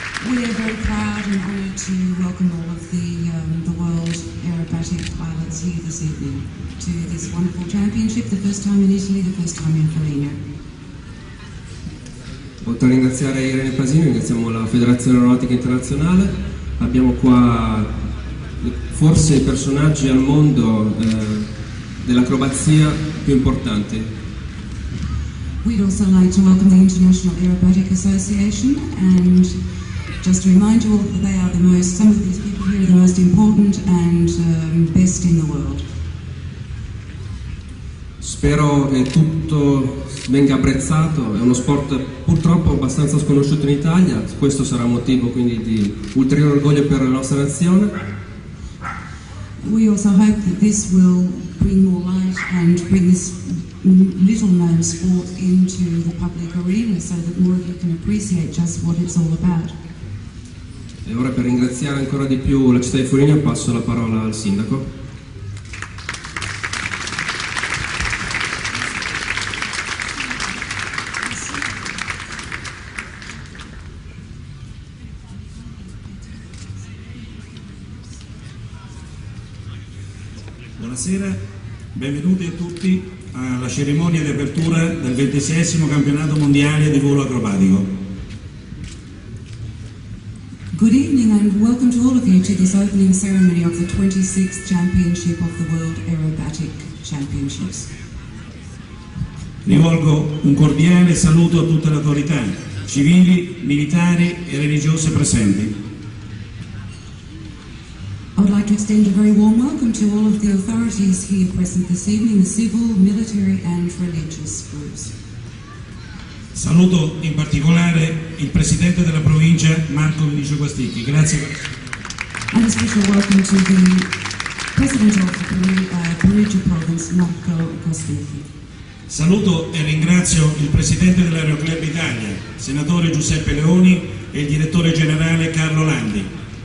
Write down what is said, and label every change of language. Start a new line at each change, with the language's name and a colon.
English: We are very proud and honored to welcome all of the world aerobatic pilots here this evening to this wonderful championship, the first time in Italy, the first time in Foligno.
Italian: Oltre a ringraziare Irene Pasini, ringraziamo la Federazione Aeronautica Internazionale. Abbiamo qua forse i personaggi al mondo dell'acrobazia più importanti.
English: We'd also like to welcome the International Aerobatic Association and just to remind you all that they are some of these people here are the most important and best in the world.
Italian: Spero che tutto venga apprezzato, è uno sport purtroppo abbastanza sconosciuto in Italia, questo sarà motivo quindi di ulteriore orgoglio per la nostra nazione.
English: We also hope that this will bring more light and bring this little known sport into the public arena so that more of you can appreciate just what it's all about.
Italian: E ora per ringraziare ancora di più la città di Foligno passo la parola al sindaco. Buonasera, benvenuti a tutti alla cerimonia di apertura del 26esimo campionato mondiale di volo acrobatico.
English: Good evening and welcome to all of you to this opening ceremony of the 26th Championship of the World Aerobatic Championships.
Italian: Rivolgo un cordiale saluto a tutte le autorità, civili, militari e religiose presenti.
English: I would like to extend a very warm welcome to all of the authorities here present this evening, the civil, military and religious groups.
Italian: Saluto in particolare il presidente della provincia Marco Vinicio Guastichi. Grazie.
English: And a special welcome to the president of the Perugia province, Marco Guastichi.
Italian: Saluto e ringrazio il presidente dell'Aeroclub Italia, senatore Giuseppe Leoni, e il direttore generale Carlo Landi.